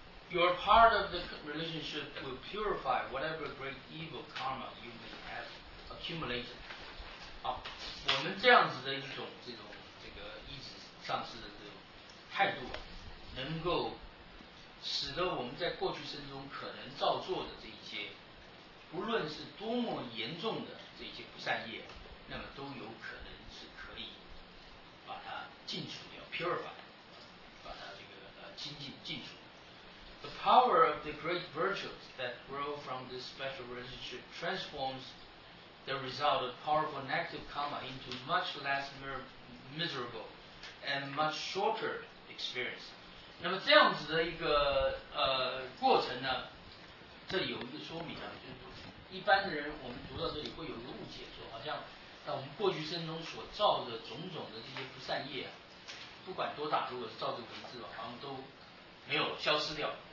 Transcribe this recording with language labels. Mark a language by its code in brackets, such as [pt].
[en] Your part of the relationship will purify whatever great evil karma you may have accumulated. [zh] 好，我们这样子的一种这个意志上师的这种态度啊，能够使得我们在过去生中可能造作的这一些，不论是多么严重的这一些不善业，那么都有可能是可以把它净除掉 ，purify， 把它这个清净净除。 [en] The power of the great virtues that grow from this special relationship transforms the result of powerful negative karma into much less miserable and much shorter experience. [zh] 那么这样子的一个过程呢，这里有一个说明啊，就是一般的人我们读到这里会有一个误解，说好像在我们过去生中所造的种种的这些不善业啊，不管多大，如果是造这个文字吧，好像都没有消失掉。